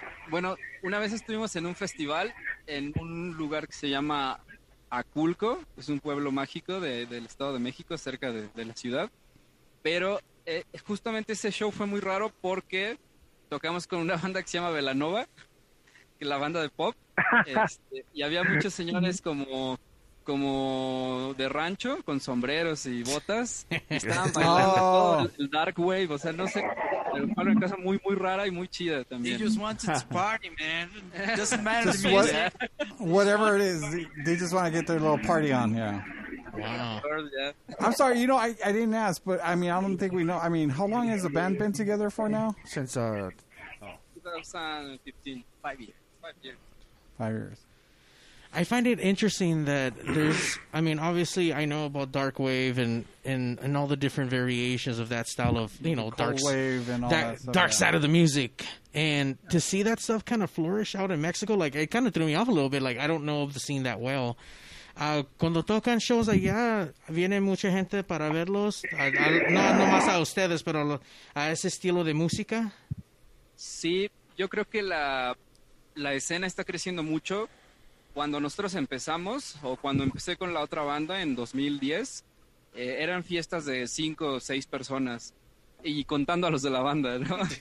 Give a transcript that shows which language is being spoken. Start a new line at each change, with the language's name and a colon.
Spanish: Bueno, una vez estuvimos en un festival en un lugar que se llama Aculco, es un pueblo mágico del Estado de México, cerca de la ciudad, pero justamente ese show fue muy raro porque tocamos con una banda que se llama Belanova, que es la banda de pop, y había muchos señores como de rancho, con sombreros y botas, y estaban bailando todo el dark wave, o sea, no sé, pero fue una cosa muy, muy rara y muy chida también.
English: They just wanted to party, man. It doesn't matter just to me. What, whatever it is, they just want to get their little party on, yeah. Wow. I'm sorry, you know, I didn't ask, but I mean, I don't think we know. I mean, how long has the band been together for now? Since 2015. 5 years. 5 years. I find it interesting that there's, I mean, obviously I know about dark wave and all the different variations of that style of, you know, dark wave and all that stuff, dark side of the music. And to see that stuff kind of flourish out in Mexico, like, it kind of threw me off a little bit. Like, I don't know the scene that well.
Spanish: Cuando tocan shows allá, viene mucha gente para verlos. No más a ustedes, pero a ese estilo de música. Sí, yo creo que la escena está creciendo mucho. Cuando nosotros empezamos, o cuando empecé con la otra banda en 2010, eran fiestas de 5 o 6 personas, y contando a los de la banda, ¿no?